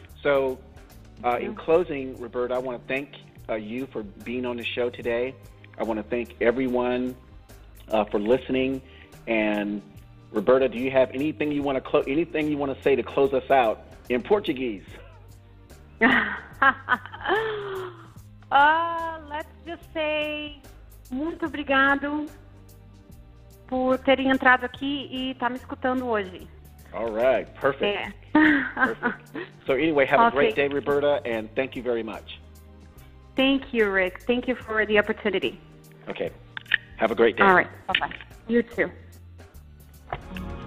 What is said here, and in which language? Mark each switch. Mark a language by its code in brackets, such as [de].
[en] So in closing, Roberta, I want to thank you for being on the show today. I want to thank everyone for listening. And Roberta, do you have anything you want to say to close us out in Portuguese? Let's just say [pt] muito obrigado por terem entrado aqui e tá me escutando hoje. [en] All right, perfect. Yeah. Perfect. So anyway, have a great day, Roberta, and thank you very much. Thank you, Rick. Thank you for the opportunity. Okay. Have a great day. All right. Bye-bye. You too.